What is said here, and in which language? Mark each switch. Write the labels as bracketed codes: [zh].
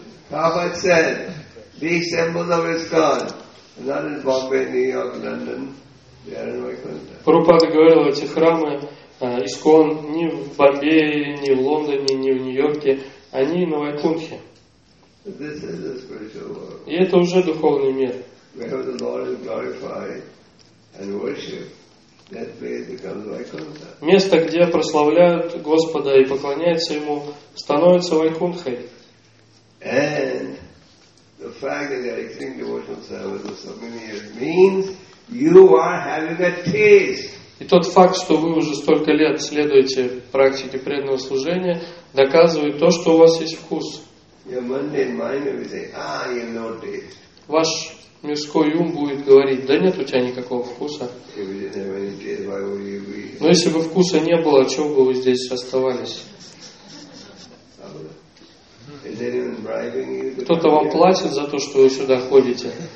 [ru] Прабхупада говорил, эти храмы ИСККОН не в Бомбее, не в Лондоне, не в Нью-Йорке, они на Вайкунхе. [en] This is a spiritual world. [ru] И это уже духовный мир. [en] Where the Lord is glorified and worshipped, that place becomes Vaikuntha. [ru] Место, где прославляют Господа и поклоняются ему, становится Вайкунхой. [en] And the fact that you are extending devotional service for so many years means you are having a taste. [ru] И тот факт, что вы уже столько лет следуете практике преданного служения, доказывает то, что у вас есть вкус. [en] Your mundane mind will say, "Ah, you have no taste." [ru] Ваш мирской ум будет говорить: "Да нет у тебя никакого вкуса." [en] If you didn't have any taste, why would you be? [ru] Но если бы вкуса не было, чем бы вы здесь оставались? [en] Is anyone bribing you? [ru] Кто-то вам платит за то, что вы сюда ходите?